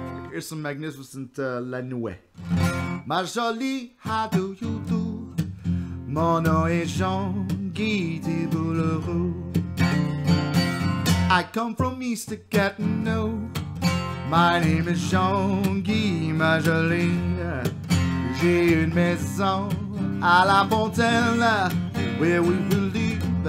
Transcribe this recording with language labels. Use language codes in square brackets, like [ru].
[en] Here's some magnificent La Nuit. [fr] Ma jolie, [en] how do you do? [fr] Mon nom est Jean-Guy de Boulereau. [en] I come from East of Gatineau. My name is Jean-Guy, [fr] ma jolie. J'ai une maison à La Fontaine, [en] where we will live.